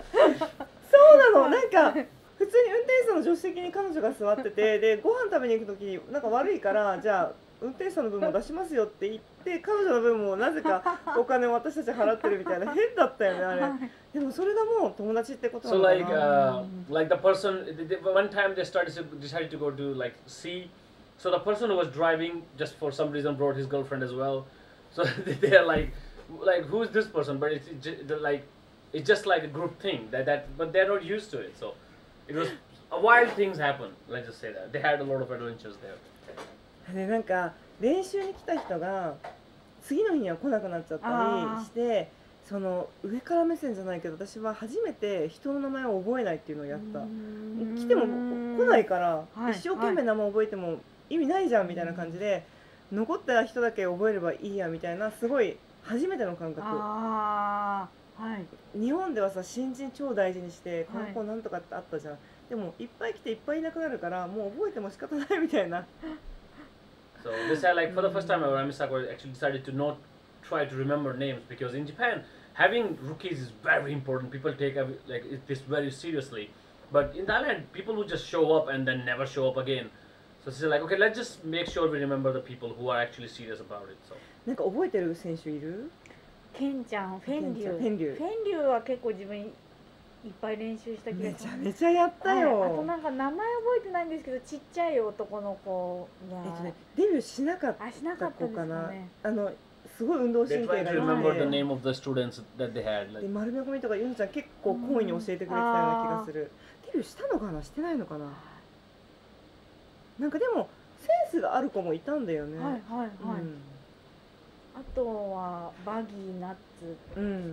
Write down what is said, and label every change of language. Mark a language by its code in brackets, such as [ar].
[ja] そうなの、なんか普通に運転手さんの助手席に彼女が座ってて、でご飯食べに行くときになんか悪いから、じゃあ運転手さんの分も出しますよって言って彼女の分もなぜかお金を私たち払ってるみたいな、変だったよねあれ。でもそれがもう友達ってことなのかな。 [en] So like, like the person, one time they started to, decided to go to like sea. So the person who was driving just for some reason brought his girlfriend as well. So they are like who is this person? But it's just like a group thing that but they're not used to it. So it was a wild things happen. Let's just say that. They had a lot of adventures there. [ja] でなんか練習に来た人が次の日には来なくなっちゃったりして、その上から目線じゃないけど、私は初めて人の名前を覚えないっていうのをやった。来ても来ないから、はい、一生懸命名前覚えても意味ないじゃんみたいな感じで、はい、残った人だけ覚えればいいやみたいな、すごい初めての感覚。あ、はい、日本ではさ新人超大事にして観光なんとかってあったじゃん、はい、でもいっぱい来ていっぱいいなくなるからもう覚えても仕方ないみたいな。 [en] So this had like for the first time our Amisaku actually decided to not try to remember names because in Japan having rookies is very important. People take like this very seriously. But in Thailand people would just show up and then never show up again. So she's like, okay, let's just make sure we remember the people who are actually serious about it. So [ja] なんか覚えてる選手いる？ケンちゃん、フェンリュウは結構自分いっぱい練習した気がする。めちゃめちゃやったよ。あとなんか名前覚えてないんですけど、ちっちゃい男の子が、デビューしなかった子かな。あ、しなかったですね。あのすごい運動神経がいい。 [en] They tried to remember the name of the students that they had. [ja] で、丸め込みとかユンちゃん結構好意に教えてくれてたような気がする。デビューしたのかな、してないのかな。なんかでもセンスがある子もいたんだよね。はいはいはい。うん、あとはバギーナッツとかですかね、